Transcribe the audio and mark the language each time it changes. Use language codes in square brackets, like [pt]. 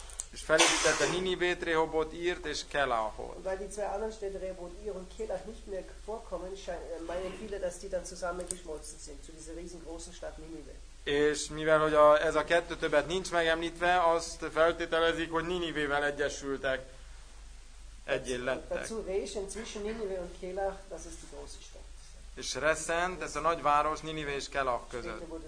[hu] És felépítette Ninivét, Rehobot Írt és Kelahot. [de] Weil die zwei anderen Städte Rehobot Ir und Kelah nicht mehr vorkommen, meinen viele, dass die dann zusammengeschmolzen sind zu dieser riesengroßen Stadt Ninive. [hu] És mivel hogy ez a kettő többet nincs megemlítve, azt feltételezik, hogy Ninivével egyesültek, egyé lettek. [de] Dazu Rehobot zwischen Ninive und Kelah, das ist die große Stadt. [hu] És Reszent, ez a nagyváros, Ninive és Kelah között.